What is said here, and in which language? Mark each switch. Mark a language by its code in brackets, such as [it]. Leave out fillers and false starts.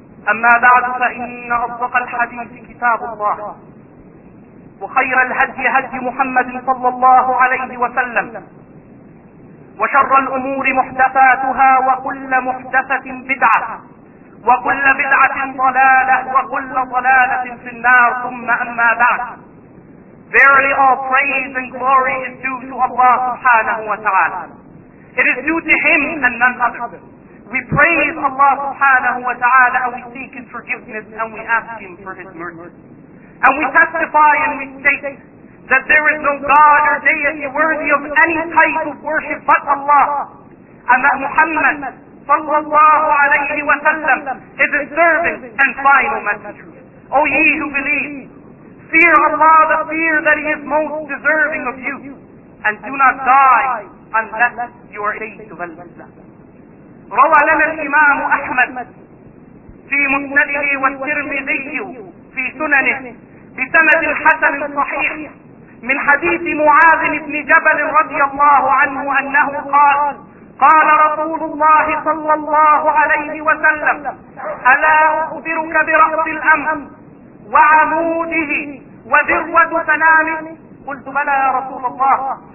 [ar] أما بعد، فإن أصدق الحديث كتاب الله، وخير الهدي هدي محمد صلى الله عليه وسلم، وشر الأمور محدثاتها، وكل محدثة بدعة، وكل بدعة ضلالة، وكل ضلالة في النار. ثم أما بعد، [en] Verily all praise and glory is due to Allah subhanahu wa ta'ala. It is due to Him and none other. We praise Allah subhanahu wa ta'ala and we seek His forgiveness and we ask Him for His mercy. And we testify and we state that there is no God or deity worthy of any type of worship but Allah. And that Muhammad sallallahu alayhi wa sallam is His servant and final messenger. O ye who believe, fear Allah the fear that He is most deserving of you, and do not die unless you are saved of Allah. [ar] روى لنا الإمام أحمد في مسنده والترمذي في سننه بسند حسن صحيح من حديث معاذ بن جبل رضي الله عنه أنه قال: قال رسول الله صلى الله عليه وسلم: ألا أخبرك برأس الأمر وعموده وذروة سنامه؟ قلت: بلى يا رسول الله.